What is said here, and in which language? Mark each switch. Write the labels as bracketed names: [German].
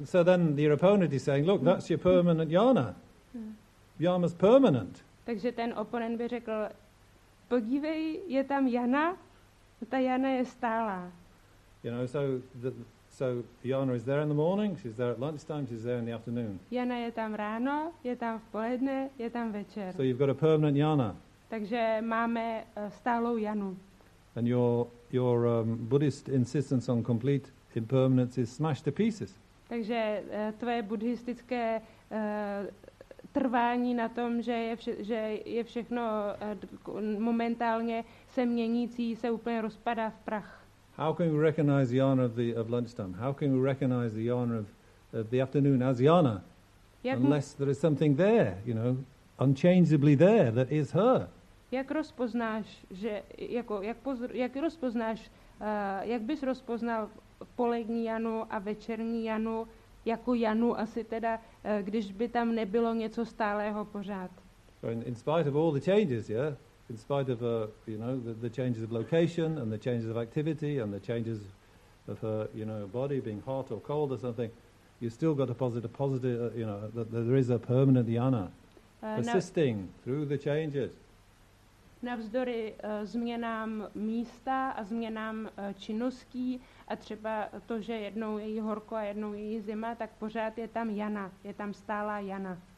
[English] So then your opponent is saying, look, that's your permanent Jana. Jana's permanent. [Czech] Takže ten oponent by řekl, podívej, je tam Jana, ta Jana je stálá. [English] You know, so Jana is there in the morning, she's there at lunchtime, she's there in the afternoon. [Czech] Jana je tam ráno, je tam v poledne, je tam večer. [English] So you've got a permanent Jana. [Czech] Takže máme stálou Janu. [English] And your Buddhist insistence on complete impermanence is smashed to pieces. [Czech] Takže tvoje buddhistické trvání na tom, že je všechno momentálně se měnící, se úplně rozpadá v prach. [English] How can we recognize the yana of lunchtime? How can we recognize the yana of the afternoon as yana? Unless there is something there, you know, unchangeably there that is her. [Czech] Jak rozpoznáš, že jako jak rozpoznáš, jak bys rozpoznal polední janu a večerní janu jako janu asi teda, když by tam nebylo něco stálého pořád? [English] In spite of all the changes, yeah. In spite of you know, the changes of location and the changes of activity and the changes of her, you know, body being hot or cold or something, you still got a positive you know, that there is a permanent yana persisting through the changes. [Czech] Navzdory změnám místa a změnám činností a třeba to, že jednou je jí horko a jednou je jí zima, tak pořád je tam yana, je tam stálá yana.